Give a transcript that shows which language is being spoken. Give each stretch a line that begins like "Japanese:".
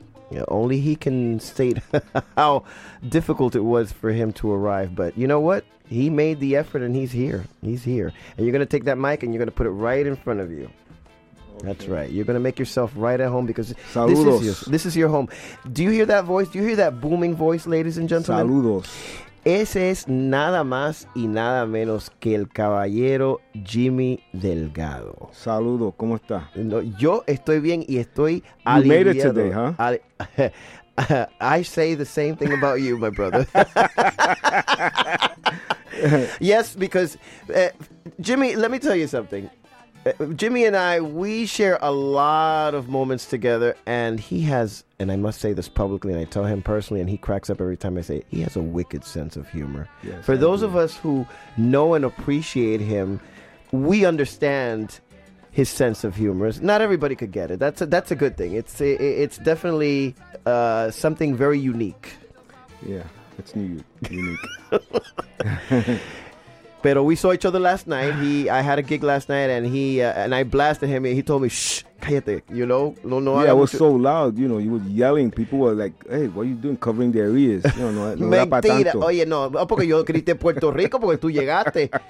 English: You know, only he can state how difficult it was for him to arrive. But you know what? He made the effort and he's here. He's here. And you're going to take that mic and you're going to put it right in front of you. That's right. You're going to make yourself right at home because this is your home. Do you hear that voice? Do you hear that booming voice, ladies and gentlemen?
Spanish: Saludos. Ese es nada más y nada menos que el caballero Jimmy Delgado. Saludos. ¿Cómo está? No, yo estoy bien y estoy aliviado.
English: You made it today, huh? I say the same thing about you, my brother. Yes, because Jimmy, let me tell you something. Jimmy and I, we share a lot of moments together, and he has, and I must say this publicly, and I tell him personally, and he cracks up every time I say it, he has a wicked sense of humor. Yes, for those of us who know and appreciate him, we understand his sense of humor. Not everybody could get it. That's a good thing. It's definitely something very unique. Yeah, it's new, unique. But we saw each other last night. I had a gig last night, and he and I blasted him. And he told me, "Shh,
Spanish: cállate,"
English: you know. No, no. Yeah, I was so loud. You know, you were yelling. People were like, "Hey, what are you doing? Covering their ears?"
Spanish: No, no. Mentira. Oye, no. Porque yo grité Puerto Rico porque tú llegaste.